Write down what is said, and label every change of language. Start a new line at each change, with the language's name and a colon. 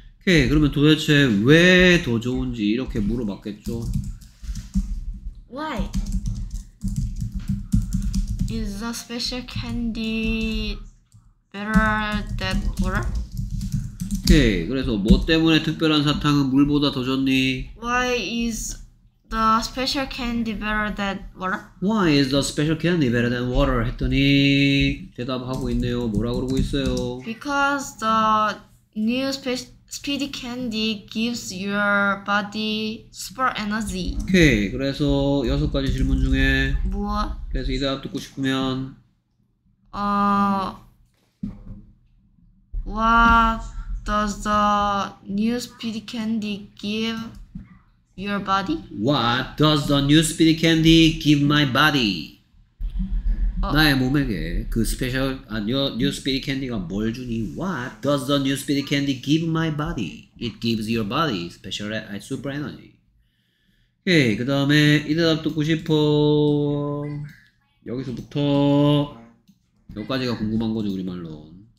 Korean: 오케이, 그러면 도대체 왜 더 좋은지 이렇게 물어봤겠죠?
English: Why? Is the special candy better than water?
Korean: 오케이, 그래서 뭐 때문에 특별한 사탕은 물보다 더 좋니?
English: Why is the special candy better than water? Why is the special candy better than water?
Korean: 했더니 대답하고 있네요. 뭐라 그러고 있어요?
English: Because the new speedy candy gives your body super energy.
Korean: 오케이, 그래서 여섯 가지 질문 중에 뭐? 그래서 이 대답 듣고 싶으면
English: What does the new speedy candy give your body? What does the new speedy candy give my body?
Korean: 나의 몸에게 그 스페셜
English: new speedy candy
Korean: 가 뭘 주니?
English: What does the new speedy candy give my body? It gives your body special super energy.
Korean: 오케이, 그 다음에 이 대답 듣고 싶어. 여기서부터 몇 가지가 궁금한 거죠, 우리말로.